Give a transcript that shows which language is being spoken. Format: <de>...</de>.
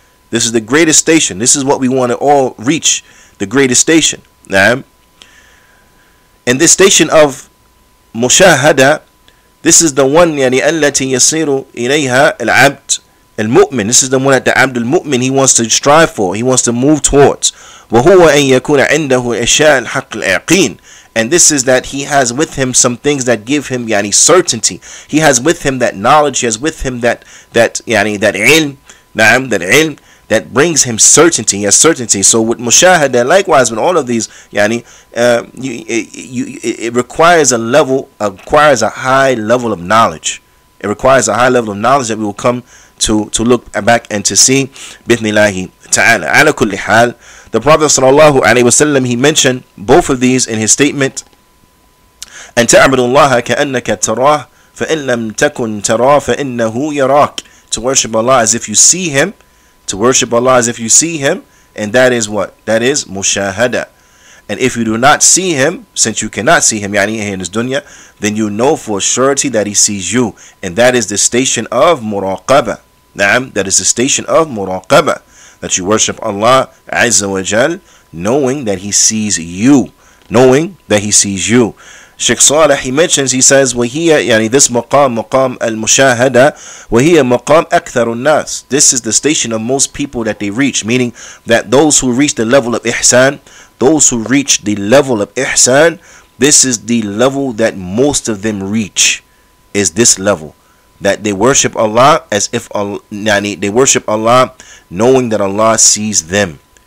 <en>This is the greatest station. This is what we want to all reach, the greatest station.</en> <ar>نعم.</ar> <en>And this station of Mushahada, this is the one, yani,</en> <ar>التي يصير إليها العبد المؤمن.</ar> <en>This is the one that the Abd al-Mu'min, he wants to strive for, he wants to move towards.</en> <ar>وهو أن يكون عنده إشاء الحق اليقين.</ar> <en>And this is that he has with him some things that give him, yani, certainty. He has with him that knowledge, he has with him that ilm. That brings him certainty. He has certainty. So with mushahada, likewise, with all of these, yani, it requires a high level of knowledge. It requires a high level of knowledge that we will come to look back and to see. Bithnillahi ta'ala. Ala kulli hal, the Prophet sallallahu alayhi wasallam, he mentioned both of these in his statement.</en> <ar>أن تعبد الله كأنك تراه فإن لم تكن تراه فإنه يراك.</ar> <en>To worship Allah as if you see Him. To worship Allah as if you see Him, and that is what? That is Mushahada. And if you do not see Him, since you cannot see Him, yani in this dunya, then you know for surety that He sees you. And that is the station of Muraqabah. Naam, that is the station of Muraqabah. That you worship Allah Azza wa Jal, knowing that He sees you. Knowing that He sees you. Sheikh Saleh, he mentions, he says,</en> <ar>وَهِيَ يعني</ar> <en>this</en> <ar>مقام, مقام المشاهدة وَهِيَ مقام أكثر الناس.</ar> <en>This is the station of most people that they reach, meaning that those who reach the level of Ihsan, those who reach the level of Ihsan, this is the level that most of them reach, is this level. That they worship Allah as if they worship Allah knowing that Allah sees them.</en>